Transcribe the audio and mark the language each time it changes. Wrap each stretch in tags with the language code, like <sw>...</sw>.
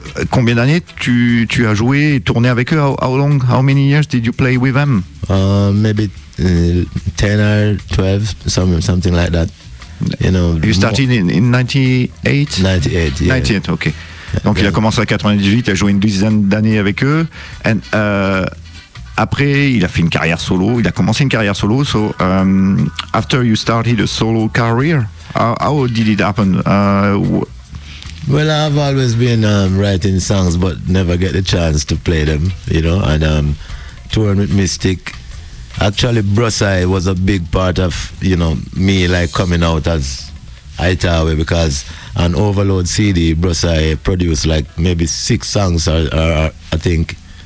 <fr>Combien d'années tu as joué et tourné avec eux?</fr> <en>How many years did you play with them? Maybe 10 or 12, something like that. You know, you started in 98? 98, yeah. 98, ok.</en> <fr>Donc il a commencé à 98, il a joué une dizaine d'années avec eux. And, après, il a fait une carrière solo. Il a commencé une carrière solo.</fr> <en>So, after you started a solo career, how did it happen? Well, I've always been writing songs, but never get the chance to play them, you know. And touring with Mystic, actually, Brassai was a big part of, you know, me like coming out as Hightaway, because an Overload CD, Brassai produced like maybe 6 songs, or I think.</en>